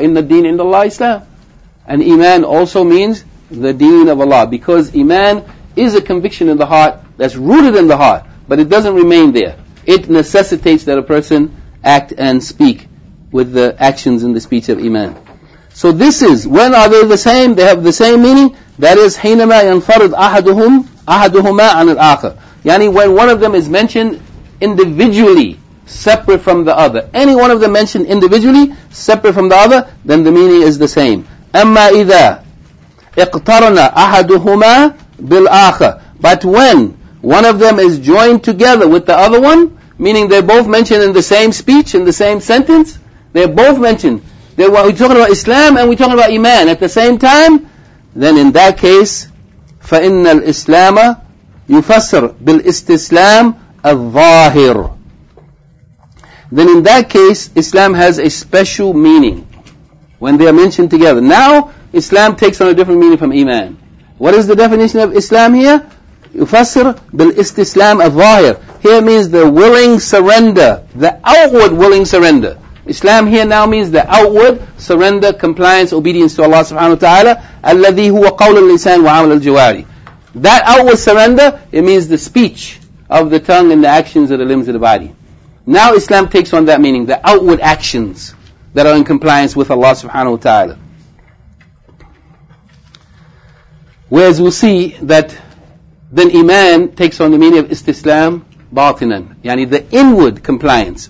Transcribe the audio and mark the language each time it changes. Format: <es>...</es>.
<ar>Inna deen inna Allah Islam.</ar> <en>And iman also means the deen of Allah. Because iman is a conviction in the heart that's rooted in the heart, but it doesn't remain there. It necessitates that a person act and speak with the actions and the speech of iman. So this is, when are they the same? They have the same meaning.</en> <ar>That is, حينما ينفرد أحدهم أحدهما عن الآخر.</ar> <en>Yani when one of them is mentioned individually, separate from the other. Any one of them mentioned individually, separate from the other, then the meaning is the same.</en> <ar>أَمَّا إِذَا اِقْتَرَنَا أَحَدُهُمَا بِالْآخَرِ.</ar> <en>But when one of them is joined together with the other one, meaning they're both mentioned in the same speech, in the same sentence, they're both mentioned. We're talking about Islam and we're talking about iman at the same time, then in that case,</en> <ar>فَإِنَّ الْإِسْلَامَ يُفَسَّرْ بِالْإِسْتِسْلَامِ الظاهر.</ar> <en>Then in that case, Islam has a special meaning when they are mentioned together. Now, Islam takes on a different meaning from Iman. What is the definition of Islam here?</en> <ar>يفسر بالاستسلام الظاهر.</ar> <en>Here means the willing surrender, the outward willing surrender. Islam here now means the outward surrender, compliance, obedience to Allah subhanahu wa ta'ala.</en> <ar>الذي هو قول اللسان وعمل الجواري.</ar> <en>That outward surrender, it means the speech of the tongue and the actions of the limbs of the body. Now Islam takes on that meaning, the outward actions that are in compliance with Allah subhanahu wa ta'ala. Whereas we'll see that then iman takes on the meaning of</en> <ar>istislam batinan,</ar> <en>yani the inward compliance.</en>